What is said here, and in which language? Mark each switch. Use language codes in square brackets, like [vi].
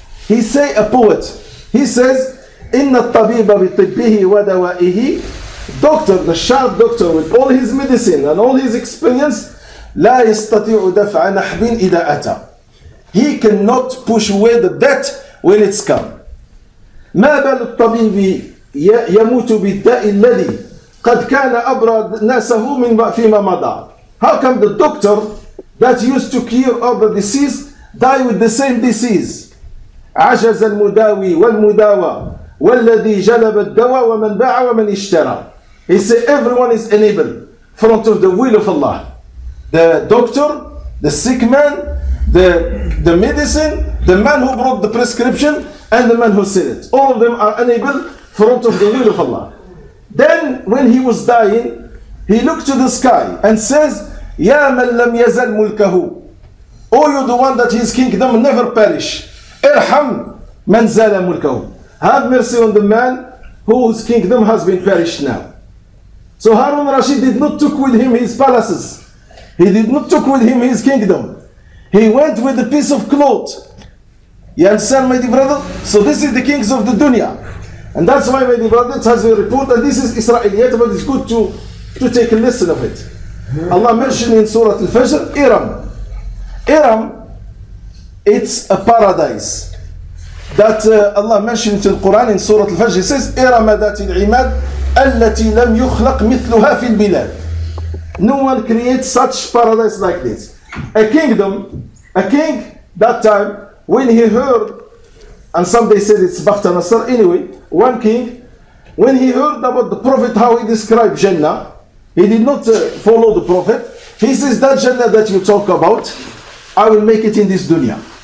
[en] He say a poet. He says, "Inna al-tabiba bi tibbihi wa dawa'ihi." Doctor, the sharp doctor with all his medicine and all his experience, لا يستطيع دفع نحب إذا أتى. He cannot push away the debt when it's come. [ar] ما بال الطبيب يموت بالداء الذي قد كان أبرد ناسه من فيما مضى. [en] How come the doctor that used to cure all the disease die with the same disease? [ar] عجز المداوي والمداوى والذي جلب الدواء ومن باع ومن اشترى. [en] He said everyone is unable front of the will of Allah. The doctor, the sick man, the medicine, the man who brought the prescription, and the man who said it. All of them are unable front of the will of Allah. Then when he was dying, he looked to the sky and says, Ya man lam yazal mulkahu. Oh, you're the one that his kingdom never perish. Irham man zala mulkahu. Have mercy on the man whose kingdom has been perished now. So Harun Rashid did not took with him his palaces. He did not took with him his kingdom. He went with a piece of cloth. You understand, my dear brother? So this is the kings of the dunya. And that's why, my dear brother, it has a report, and this is Israeliyat, but it's good to take a lesson of it. Allah mentioned in Surah Al-Fajr, Iram. Iram, it's a paradise. That Allah mentioned in the Quran in Surah Al-Fajr, he says, Iram adatil imad. [ar] التي لم يخلق مثلها في البلاد. [en] No one creates such paradise like this. A kingdom, a king, that time, when he heard, and some they said it's Bakhtar Nasr, anyway, one king, when he heard about the Prophet, how he described Jannah, he did not follow the Prophet. He says, that Jannah that you talk about, I will make it in this dunya.